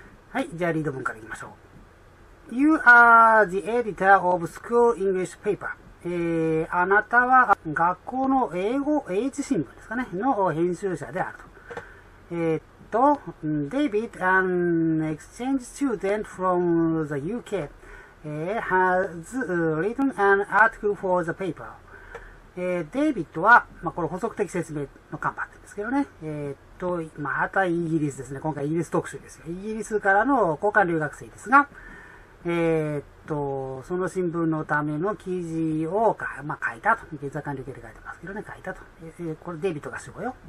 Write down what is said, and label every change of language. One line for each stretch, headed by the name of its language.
Japanese: はい、じゃあリード文から行きましょう。
English: You are the editor of school English paper.
Japanese: あなたは学校の英語、英字新聞ですかね、の編集者であると。
English: David, an exchange student from the UK, has written an article for the paper.
Japanese: David は、まあ、これ補足的説明の看板ですけどね、またイギリスですね。今回イギリス特集ですよ。イギリスからの交換留学生ですが、その新聞のための記事を、まあ、書いたと。現在管理系で書いてますけどね、書いたと。これデイビットが主語よ。